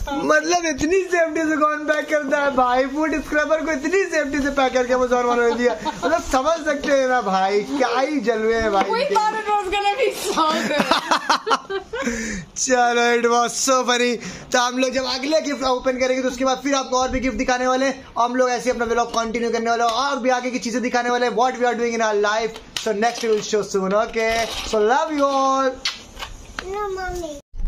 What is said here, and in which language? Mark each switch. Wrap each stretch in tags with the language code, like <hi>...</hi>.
<hi>मतलब इतनी सेफ्टी से कौन पैक करता है भाई फूड स्क्रबर को इतनी सेफ्टी से पैक करके अमेज़न वालों ने दिया मतलब समझ सकते हैं ना भाई क्या ही जलवे है भाई</hi> <en>We thought it was gonna be so good.</en> <hi>चलो</hi> <en>it was so funny</en> <hi>तो हम लोग जब अगले गिफ्ट ओपन करेंगे तो उसके बाद फिर आपको और भी गिफ्ट दिखाने वाले हम लोग ऐसे अपना व्लॉग कंटिन्यू करने वाले और भी आगे की चीजें दिखाने वाले</hi> <en>what we are doing in our life so next we will show soon okay so love you all no mummy</en>